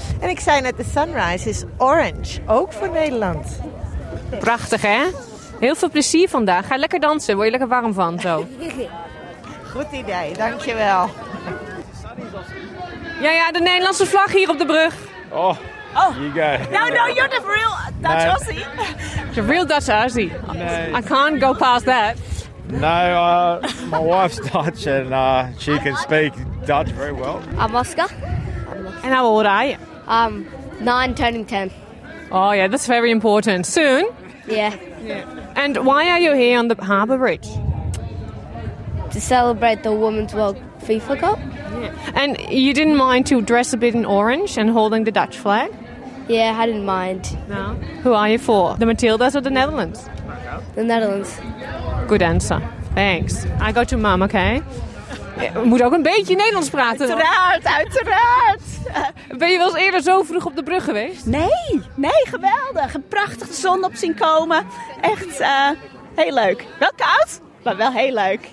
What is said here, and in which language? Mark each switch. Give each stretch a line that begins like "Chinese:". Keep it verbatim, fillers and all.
Dutch: En ik zei net, de
English: sunrise is orange.
Dutch: Ook voor Nederland. Prachtig, hè? Heel veel plezier vandaag. Ga lekker dansen. Word je lekker warm van zo. Goed idee, dankjewel. Ja, ja, de Nederlandse vlag hier op de brug. Oh, oh.
English: You go. No, no, you're the real Dutch no. Aussie. The real Dutch Aussie. No. I can't go past that. No, uh, my wife's Dutch and uh, she can speak Dutch very well. I'm Oscar. And how old are you? Um, nine, turning ten. Oh yeah, that's very important. Soon? Yeah. Yeah. And why are you here on the Harbour Bridge? To celebrate the Women's World FIFA Cup. Yeah. And you didn't mind to dress a bit in orange and holding the Dutch flag? Yeah, I didn't mind. No. Who are you for? The Matildas or the Netherlands? The Netherlands. Good answer. Thanks. I go to mom, okay?
Dutch: We moeten ook een beetje Nederlands praten. Dan. Uiteraard, uiteraard. Ben je wel eens eerder zo vroeg op de brug geweest? Nee, nee, geweldig. Een prachtige zon op zien komen. Echt uh, heel leuk. Wel koud, maar wel heel leuk.